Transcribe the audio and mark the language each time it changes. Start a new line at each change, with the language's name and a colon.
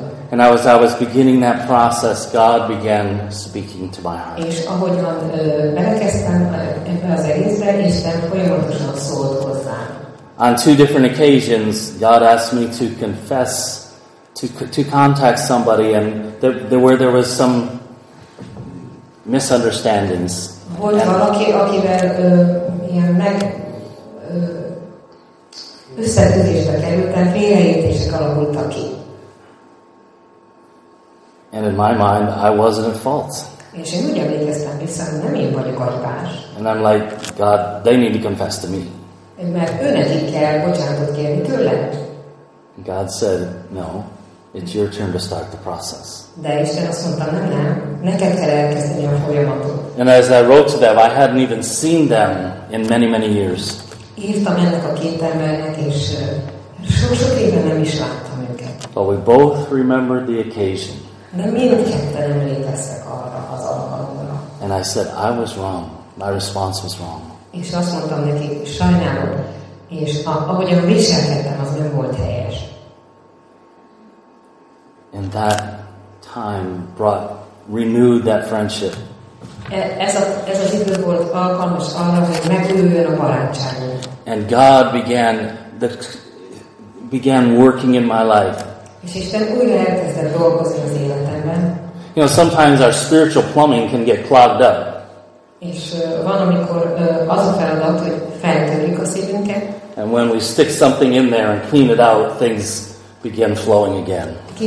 English: And I was beginning that process, God began speaking to my heart.
Hungarian: És ahogyan belekezdtem ebbe az egészbe, Isten folyamatosan szólt hozzám.
English: On two different occasions, God asked me to confess, to contact somebody, and where there was some misunderstandings.
Hungarian: Volt valaki, akivel ilyen meg összetűzésbe kerültem, félreértések alakultak ki.
English: And in my mind, I wasn't at fault.
Hungarian: És én úgy emlékeztem vissza, hogy nem én vagyok a hibás.
English: And I'm like, God, they need to confess to me.
Hungarian: Mert ő nekik kell bocsánatot kérni tőlem.
English: God said, no, it's your turn to start the process.
Hungarian: De Isten azt mondta, nem, neked kell elkezdeni a folyamatot.
English: And as I wrote to them, I hadn't even seen them in many, many years.
Hungarian: Írtam ennek a két embernek, és sok-sok éve nem is láttam őket.
English: But we both remembered the occasion.
Hungarian: De mindketten emlékeztek arra az alkalomra.
English: And I said, I was wrong. My response was wrong.
Hungarian: És azt mondtam neki, sajnálom, és ahogyan viselkedtem, az nem volt helyes.
English: And that time brought, renewed that friendship.
Hungarian: Ez az idő volt alkalmas arra, hogy megújuljon a barátságunk.
English: And God began working in my life.
Hungarian: És Isten újra elkezdett dolgozni az életemben.
English: You know, sometimes our spiritual plumbing can get clogged up.
Hungarian: És van, amikor az a feladat, hogy feltörjük a szívünket.
English: And when we stick something in there and clean it out, things begin flowing again.